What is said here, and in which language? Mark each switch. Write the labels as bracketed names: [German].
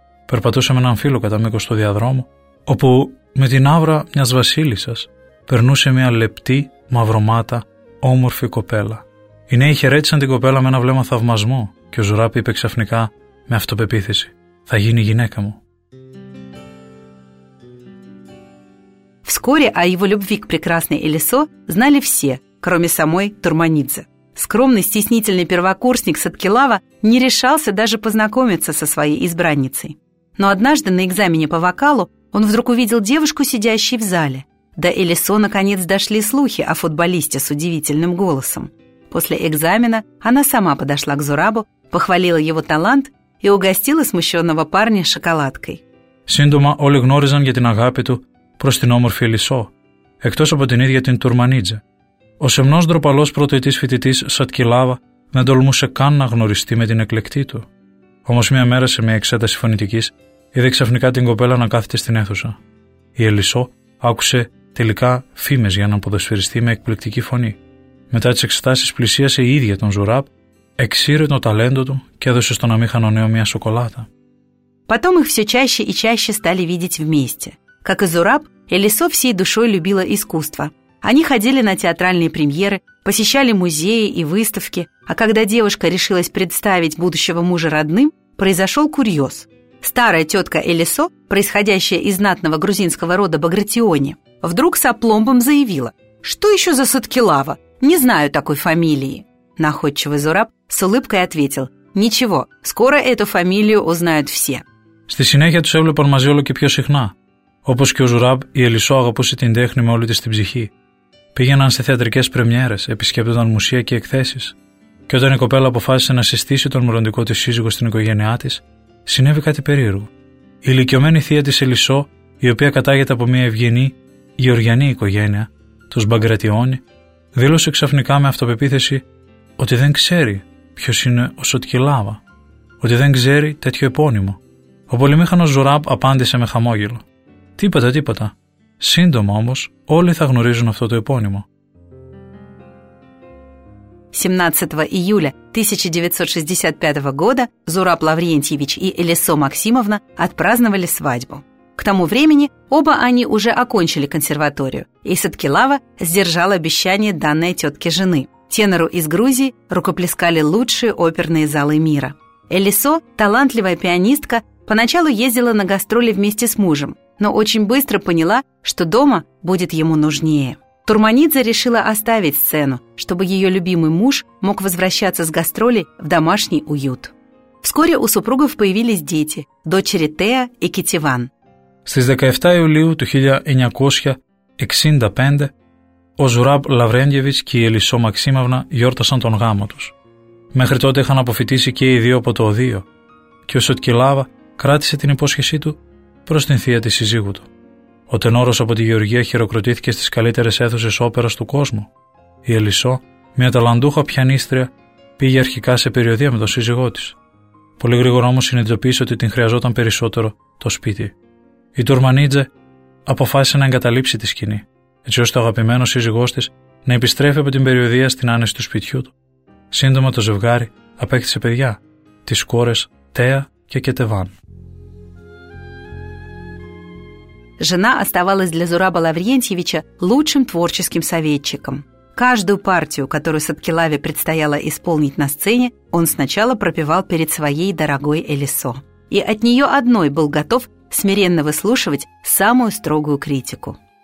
[Greek] Περπατούσε με έναν φίλο κατά μήκος του διαδρόμου, όπου με την άβρα μιας βασίλισσας περνούσε μια λεπτή, μαυρομάτα, όμορφη κοπέλα. Οι νέοι χαιρέτησαν την κοπέλα με ένα βλέμμα θαυμασμού και ο Ζουράμπ είπε ξαφνικά με αυτοπεποίθηση: «Θα γίνει γυναίκα μου». [Russian] Вскоре о его любви к прекрасной Элисо знали все, кроме самой Турманидзе. Скромный, стеснительный первокурсник Сеткилава не решался даже познакомиться со своей избранницей. Но однажды на экзамене по вокалу он вдруг увидел девушку, сидящей в зале. До Элисо наконец дошли слухи о футболисте с удивительным голосом. После экзамена она сама подошла к Зурабу, похвалила его талант и угостила смущенного парня шоколадкой. [Greek] Синдума оли гнорезан гетин агапиту προς την όμορφη Ελισό, εκτός από την ίδια την Τουρμανίτζε. Ο σεμνός ντροπαλός πρωτοετής φοιτητής Σετκιλάβα δεν τολμούσε καν να γνωριστεί με την εκλεκτή του. Όμως μία μέρα σε μία εξέταση φωνητικής είδε ξαφνικά την κοπέλα να κάθεται στην αίθουσα. Η Ελισό άκουσε τελικά φήμες για έναν ποδοσφαιριστή με εκπληκτική φωνή. Μετά τις εξετάσεις πλησίασε η ίδια τον Ζουράμπ, εξήρε το ταλέντο του και έδωσε στον αμήχανο νέο μία σοκολάτα. [Russian] Потом их все чаще и чаще стали видеть вместе. Как и Зураб, Элисо всей душой любила искусство. Они ходили на театральные премьеры, посещали музеи и выставки, а когда девушка решилась представить будущего мужа родным, произошел курьез. Старая тетка Элисо, происходящая из знатного грузинского рода Багратиони, вдруг с апломбом заявила: «Что еще за Сеткилава? Не знаю такой фамилии». Находчивый Зураб с улыбкой ответил: «Ничего, скоро эту фамилию узнают все». [Greek] Στη συνέχεια τους έβλεπαν μαζί όλο και πιο συχνά. Όπως και ο Ζουράμπ, η Ελισό αγαπούσε την τέχνη με όλη της την ψυχή. Πήγαιναν σε θεατρικές πρεμιέρες, επισκέπτονταν μουσεία και εκθέσεις. Και όταν η κοπέλα αποφάσισε να συστήσει τον μελλοντικό της σύζυγο στην οικογένειά της, συνέβη κάτι περίεργο. Η ηλικιωμένη θεία της Ελισό, η οποία κατάγεται από μια ευγενή γεωργιανή οικογένεια, τους Μπαγκρατιώνη, δήλωσε ξαφνικά με αυτοπεποίθηση ότι δεν ξέρει ποιος είναι ο Σετκιλάβα, ότι δεν ξέρει τέτοιο επώνυμο. Ο πολυμήχανος Ζουράμπ απάντησε με χαμόγελο: «Τίποτα, τίποτα. Σύντομα όμως όλοι θα γνωρίζουν αυτό το επώνυμο». [Russian] 17 июля 1965 года Зураб Лаврентьевич и Элисо Максимовна отпраздновали свадьбу. К тому времени оба они уже окончили консерваторию, и Сеткилава сдержал обещание, данное тетке жены. Тенору из Грузии рукоплескали лучшие оперные залы мира. Элисо, талантливая пианистка, поначалу ездила на гастроли вместе с мужем, но очень быстро поняла, что дома будет ему нужнее. Турманидзе решила оставить сцену, чтобы ее любимый муж мог возвращаться с гастролей в домашний уют. Вскоре у супругов появились дети – дочери Теа и Кетиван. [Greek] Στις 17 Ιουλίου του 1965, ο Ζουράμπ Λαβρέντιεβιτς και η Ελισό Μαξίμαυνα γιόρτασαν τον γάμο τους. Μέχρι τότε είχαν αποφοιτήσει και οι δύο από το οδείο και ο Σετκιλάβα κράτησε την υπόσχεσή του προς την θεία της σύζυγου του. Ο τενόρος από τη Γεωργία χειροκροτήθηκε στις καλύτερες αίθουσες όπερας του κόσμου. Η Ελισό, μια ταλαντούχα πιανίστρια, πήγε αρχικά σε περιοδία με τον σύζυγό της. Πολύ γρήγορα όμως συνειδητοποίησε ότι την χρειαζόταν περισσότερο το σπίτι. Η Τουρμανίτζε αποφάσισε να εγκαταλείψει τη σκηνή, έτσι ώστε ο αγαπημένος σύζυγός της να επιστρέφει από την περιοδία στην άνεση του σπιτιού του. Σύντομα το ζευγάρι απέκτησε παιδιά, τις κόρες Τέα και Κετεβάν. [Russian] Жена оставалась для Зураба Лаврентьевича лучшим творческим советчиком. Каждую партию, которую Саткилаве предстояло исполнить на сцене, он сначала пропевал перед своей дорогой Элисо. И от нее одной был готов смиренно выслушивать самую строгую критику.